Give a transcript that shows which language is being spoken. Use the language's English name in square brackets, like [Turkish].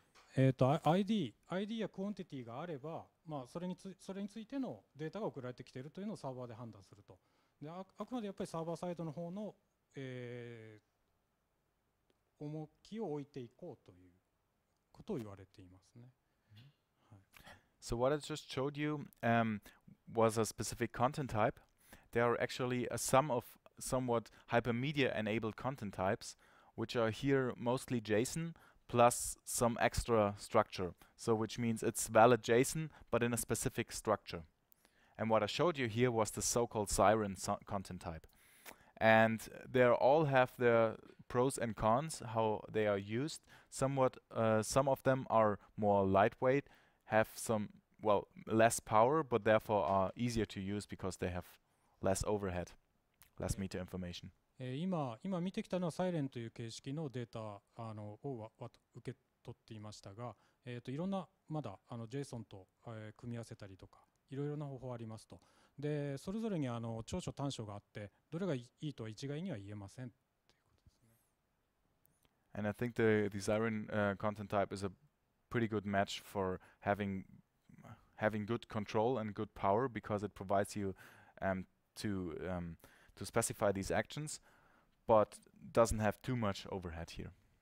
[Japanese] ID やクオンティティがあれば、まあそれについてのデータが送られてきているというのをサーバーで判断すると。で、あくまでやっぱりサーバーサイドの方の、重きを置いていこうということを言われていますね。 [English] So what I just showed you was a specific content type. There are actually a sum of somewhat Hypermedia enabled content types, which are here mostly JSON plus some extra structure. So which means it's valid JSON, but in a specific structure. And what I showed you here was the so-called siren content type. And they all have their pros and cons, how they are used. Some of them are more lightweight, have some, well, less power, but therefore are easier to use because they have less overhead, less meter information. [Japanese] 今見てきたのはサイレンという形式のデータを受け取っていましたが、いろんなまだJSONと組み合わせたりとか、いろいろな方法ありますと。でそれぞれに長所短所があってどれがいいとは一概には言えませんということですね。 [English] And I think the siren content type is a pretty good match for having good control and good power because it provides you to specify these actions but doesn't have too much overhead here.